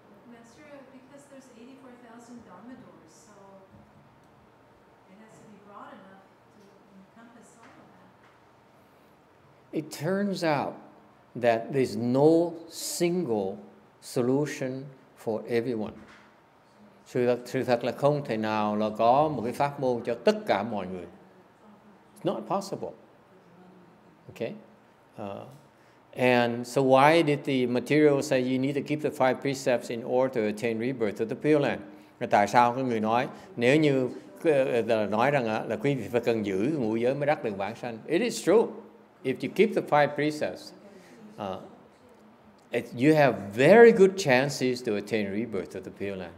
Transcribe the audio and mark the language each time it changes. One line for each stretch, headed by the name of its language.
English: Master, because there's 84,000 Dhamma doors, so it has to be broad enough to encompass all of that. It turns out that there's no single solution for everyone.
Vietnamese: Sự thật là không thể nào là có một cái pháp môn cho tất cả mọi người.
English: It's not possible. Okay? And so why did the material say you need to keep the five precepts in order to attain rebirth to the Pure Land?
Vietnamese: Tại sao có người nói, nếu như nói rằng là quý vị phải cần giữ ngũ giới mới đắc được vãng sanh.
English: It is true. If you keep the five precepts, you have very good chances to attain rebirth to the Pure Land.